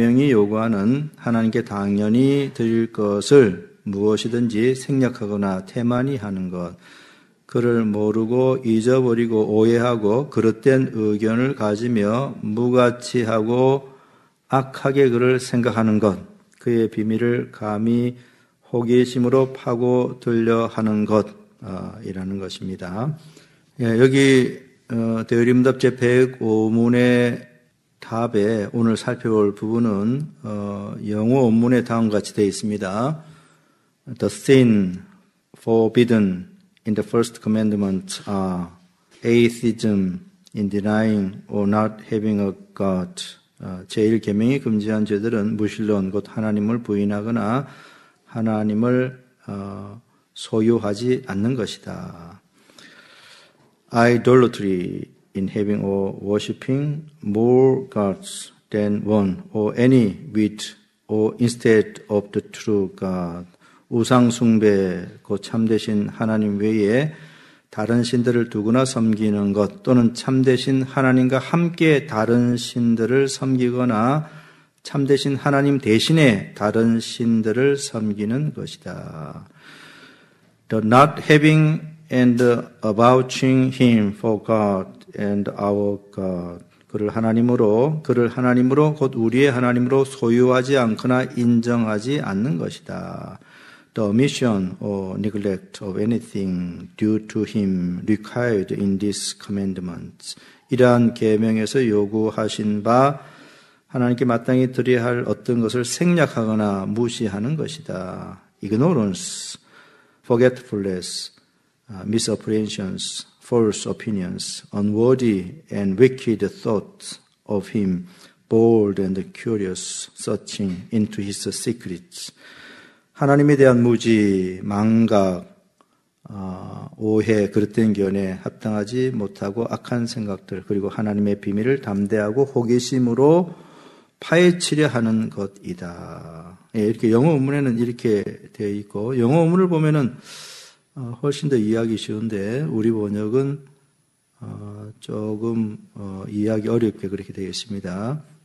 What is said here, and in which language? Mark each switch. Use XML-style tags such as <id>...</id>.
<ko>요구하는 하나님께 당연히 드릴 것을 무엇이든지 생략하거나 태만히 하는 것, 그를 모르고 잊어버리고 오해하고 그릇된 의견을 가지며 무가치하고 악하게 그를 생각하는 것, 그의 비밀을 감히 호기심으로 파고들려 하는 것이라는 것입니다. 여기 대요리문답 제105문의 답에 오늘 살펴볼 부분은 영어 원문에 다음과 같이 되어 있습니다.</ko> <en>The sin forbidden in the first commandment are atheism in denying or not having a God.</en> <ko>제1계명이 금지한 죄들은 무신론, 곧 하나님을 부인하거나 하나님을 소유하지 않는 것이다.</ko> <en>Idolatry in having or worshipping more gods than one or any with or instead of the true God.</en> <ko>우상숭배, 곧 참되신 하나님 외에 다른 신들을 두거나 섬기는 것, 또는 참되신 하나님과 함께 다른 신들을 섬기거나 참되신 하나님 대신에 다른 신들을 섬기는 것이다.</ko> <en>The not having and avouching him for God and our God.</en> <ko>그를 하나님으로 곧 우리의 하나님으로 소유하지 않거나 인정하지 않는 것이다.</ko> <en>The omission or neglect of anything due to him required in this commandment.</en> <ko>이러한 계명에서 요구하신 바 하나님께 마땅히 드려야 할 어떤 것을 생략하거나 무시하는 것이다.</ko> <en>Ignorance, forgetfulness, misapprehensions, false opinions, unworthy and wicked thoughts of him, bold and curious, searching into his secrets.</en> <ko>하나님에 대한 무지, 망각, 오해, 그릇된 견해, 합당하지 못하고 악한 생각들, 그리고 하나님의 비밀을 담대하고 호기심으로 파헤치려 하는 것이다. 이렇게 영어 원문에는 이렇게 되어 있고, 영어 원문을 보면은 훨씬 더 이해하기 쉬운데, 우리 번역은 조금 이해하기 어렵게 그렇게 되어 있습니다.</ko>